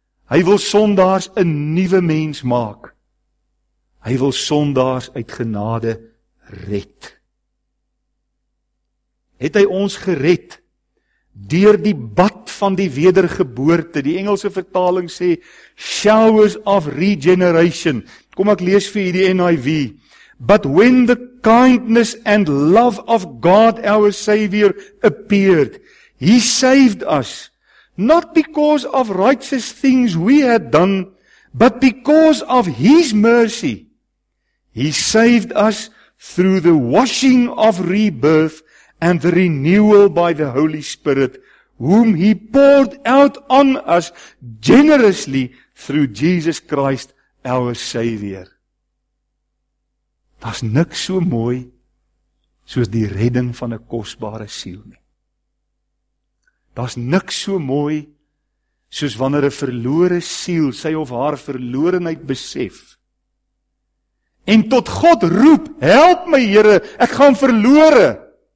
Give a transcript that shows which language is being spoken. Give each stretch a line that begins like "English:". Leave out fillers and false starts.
Afrikaans: Hy wil sondaars 'n nuwe mens maak. Hy wil sondaars uit genade red. Het hy ons gered deur die bad van die wedergeboorte? Die Engelse vertaling sê,
English: showers of regeneration.
Afrikaans: Kom ek lees vir hierdie NIV.
English: But when the kindness and love of God our Savior appeared, He saved us, not because of righteous things we had done, but because of His mercy. He saved us through the washing of rebirth and the renewal by the Holy Spirit, whom He poured out on us generously through Jesus Christ our Savior.
Afrikaans: Daar is niks so mooi soos die redding van 'n kosbare siel nie. Daar is niks so mooi soos wanneer 'n verlore siel sy of haar verlorenheid besef en tot God roep, help my Here, ek gaan verlore.